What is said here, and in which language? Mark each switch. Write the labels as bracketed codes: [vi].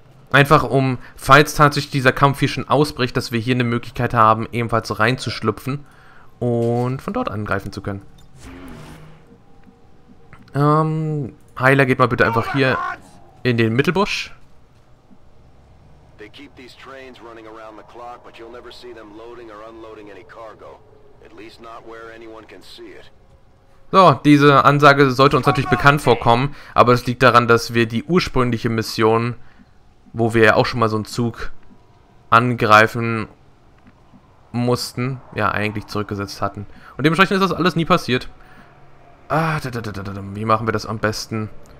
[de] Einfach um, falls tatsächlich dieser Kampf hier schon ausbricht, dass wir hier eine Möglichkeit haben, ebenfalls reinzuschlüpfen und von dort angreifen zu können. Heiler, geht mal bitte einfach hier in den Mittelbusch. [en] They keep these trains running around the clock, but you'll never see them loading or unloading any cargo. At least not where anyone can see it. [de] So, diese Ansage sollte uns natürlich bekannt vorkommen, aber es liegt daran, dass wir die ursprüngliche Mission, wo wir ja auch schon mal so einen Zug angreifen mussten, ja eigentlich zurückgesetzt hatten. Und dementsprechend ist das alles nie passiert. Ah, wie machen wir das am besten?